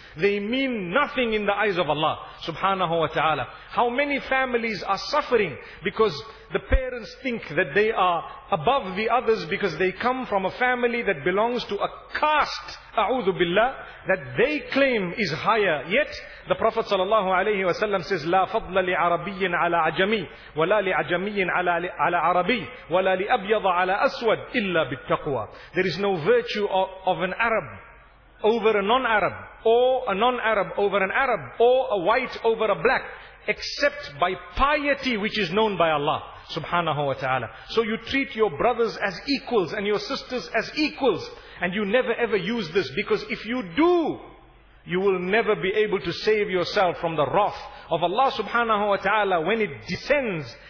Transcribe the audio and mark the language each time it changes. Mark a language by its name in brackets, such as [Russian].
[English] They mean nothing in the eyes of Allah subhanahu wa ta'ala. How many families are suffering because the parents think that they are above the others because they come from a family that belongs to a caste, a'udhu billah, that they claim is higher. Yet the Prophet sallallahu alayhi wa sallam says, [Arabic] لا فضل لعربي على عجمي ولا لعجمي على عربي ولا لأبيض على أسود إلا بالتقوى. [English] There is no virtue of an Arab over a non-Arab, or a non-Arab over an Arab, or a white over a black, except by piety which is known by Allah subhanahu wa ta'ala. So you treat your brothers as equals and your sisters as equals, and you never ever use this, because if you do, you will never be able to save yourself from the wrath of Allah subhanahu wa ta'ala when it descends.